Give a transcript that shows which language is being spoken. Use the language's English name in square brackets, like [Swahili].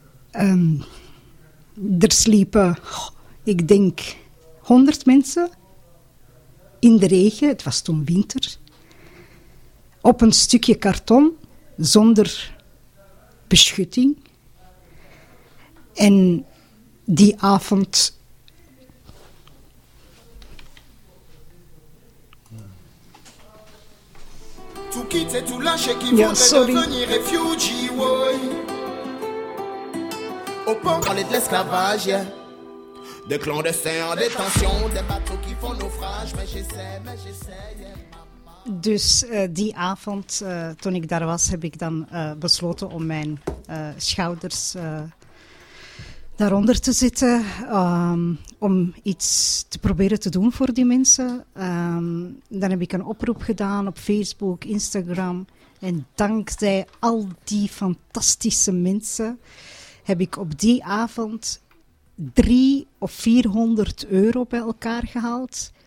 [Dutch] Er sliepen, ik denk, 100 mensen in de regen. Het was toen winter. Op een stukje karton, zonder beschutting. En die avond [French] tout quitter, tout lâcher, qui voudrait devenir [English] refugee, boy. [French] Au pont, parler de l'esclavage, des clandestins en détention, des bateaux qui font naufrage, mais j'essaie, mais j'essaie. [Dutch] Dus die avond, toen ik daar was, heb ik dan besloten om mijn schouders daaronder te zitten, om iets te proberen te doen voor die mensen. Dan heb ik een oproep gedaan op Facebook, Instagram. En dankzij al die fantastische mensen heb ik op die avond 300 of 400 euro bij elkaar gehaald.